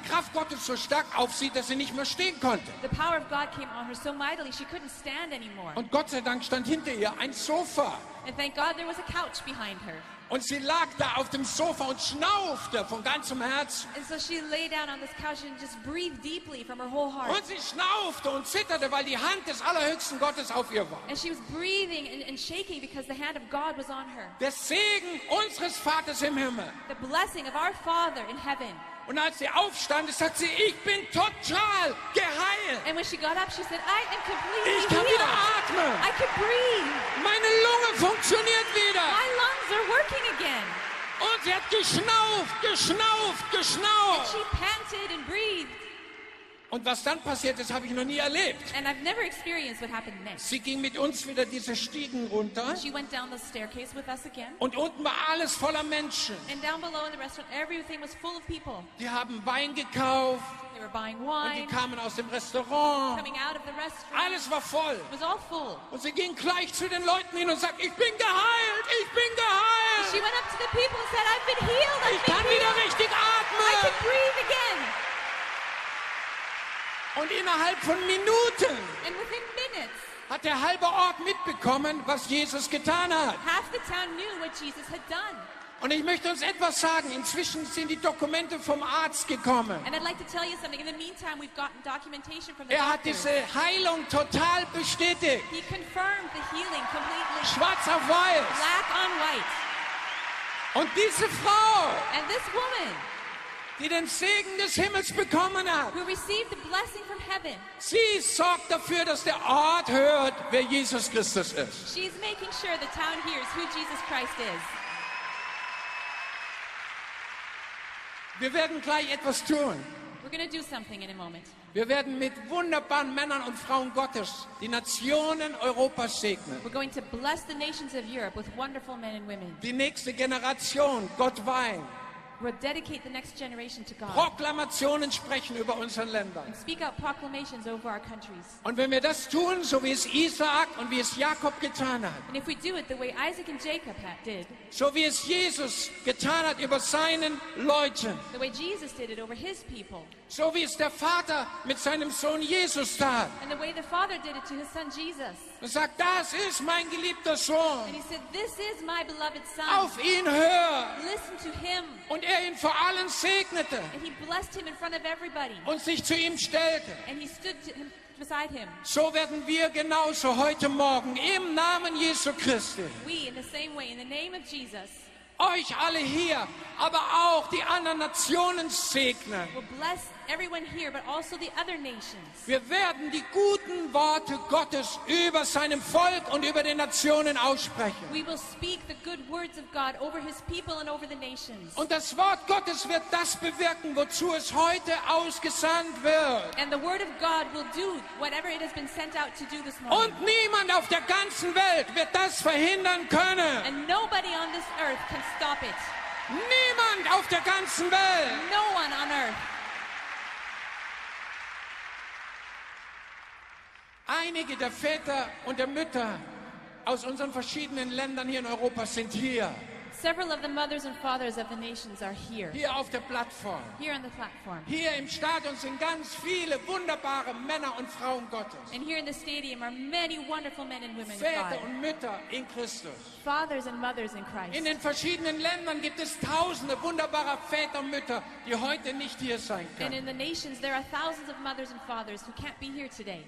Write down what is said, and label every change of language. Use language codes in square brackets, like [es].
[de] die Kraft Gottes so stark auf sie, dass sie nicht mehr stehen konnte. [en] The power of God came on her so mightily she couldn't stand anymore. [de] Und Gott sei Dank stand hinter ihr ein Sofa. [en] And thank God there was a couch behind her. [de] Und sie lag da auf dem Sofa und schnaufte von ganzem Herzen. [en] And so she lay down on this couch and just breathed deeply from her whole heart. [de] Und sie schnaufte und zitterte, weil die Hand des Allerhöchsten Gottes auf ihr war. [en] And she was breathing and shaking because the hand of God was on her. [de] Der Segen unseres Vaters im Himmel. [en] The blessing of our Father in heaven. [de] Und als sie aufstand, sagte sie, ich bin total geheilt. [en] And when she got up, she said, I am completely healed. [de] Ich kann wieder atmen. [en] I can breathe. [de] Meine Lunge funktioniert wieder. [en] My lungs are working again. [de] Und sie hat geschnauft. [en] And she panted and breathed. [de] Und was dann passiert ist, habe ich noch nie erlebt. [en] And I've never experienced what happened next. [de] Sie ging mit uns wieder diese Stiegen runter. [en] She went down the staircase with us again. [de] Und unten war alles voller Menschen. [en] And down below in the restaurant, everything was full of people. [de] Die haben Wein gekauft. [en] They were buying wine. [de] Und die kamen aus dem Restaurant. [en] Coming out of the restaurant. [de] Alles war voll. [en] It was all full. [de] Und sie ging gleich zu den Leuten hin und sagt, ich bin geheilt, ich bin geheilt. [en] She went up to the people and said, I've been healed, I've [de] ich kann [en] been [de] wieder [en] healed. [de] Richtig atmen. [en] I can breathe again. [de] Und innerhalb von Minuten [en] and within minutes, [de] hat der halbe Ort mitbekommen, was Jesus getan hat. [en] Half the town knew what Jesus had done. [de] Und ich möchte uns etwas sagen. Inzwischen sind die Dokumente vom Arzt gekommen. [en] And I'd like to tell you something. In the meantime, we've gotten documentation from the doctor. [de] Er hat diese Heilung total bestätigt. [en] He confirmed the healing completely. [de] Schwarz auf weiß. [en] Black on white. [de] Und diese Frau. [en] And this woman. [de] Die den Segen des Himmels bekommen hat. [en] Who received the blessing from heaven. [de] Sie sorgt dafür, dass der Ort hört, wer Jesus Christus ist. [en] She's making sure the town hears who Jesus Christ is. [de] Wir werden gleich etwas tun. [en] We're going to do something in a moment. [de] Wir werden mit wunderbaren Männern und Frauen Gottes die Nationen Europas segnen. [en] We're going to bless the nations of Europe with wonderful men and women. [de] Die nächste Generation, Gott weiß. [en] We'll dedicate the next generation to God. [de] Proklamationen sprechen über unseren Ländern. [en] And speak out proclamations over our countries. [de] Und wenn wir das tun, so wie es Isaac und wie es Jakob getan hat. [en] And if we do it the way Isaac and Jacob did. [de] So wie es Jesus getan hat über seinen Leuten. [en] The way Jesus did it over his people. [de] So wie es der Vater mit seinem Sohn Jesus tat. [en] And the way the Father did it to his son Jesus. [de] Und sagt, das ist mein geliebter Sohn. [en] And he said, this is my beloved son. [de] Auf ihn hör. [en] Listen to him. [de] Und er ihn vor allen segnete. [en] And he blessed him in front of everybody. [de] Und sich zu ihm stellte. [en] And he stood to him, beside him. [de] So werden wir genauso heute Morgen im Namen Jesu Christi. [en] We, in the same way, in the name of Jesus. [de] Euch alle hier, aber auch die anderen Nationen segnen. [en] We'll bless everyone here, but also the other nations. [de] Wir werden die guten Worte Gottes über seinem Volk und über den Nationen aussprechen. [en] We will speak the good words of God over his people and over the nations. [de] Und das Wort Gottes wird das bewirken, wozu es heute ausgesandt wird. [en] And the word of God will do whatever it has been sent out to do this morning. [de] Und niemand auf der ganzen Welt wird das verhindern können. [en] And nobody on this earth can stop it. [de] Niemand auf der ganzen Welt. [en] No one on earth. [de] Einige der Väter und der Mütter aus unseren verschiedenen Ländern hier in Europa sind hier. [en] Several of the mothers and fathers of the nations are here. [de] Hier auf der Plattform. [en] Here on the platform. [de] Hier im Stadion sind ganz viele wunderbare Männer und Frauen Gottes. [en] And here in the stadium are many wonderful men and women of God. [de] Väter und Mütter in Christus. [en] Fathers and mothers in Christ. [de] In den verschiedenen Ländern gibt es tausende wunderbarer Väter und Mütter, die heute nicht hier sein können. [en] And in the nations there are thousands of mothers and fathers who can't be here today.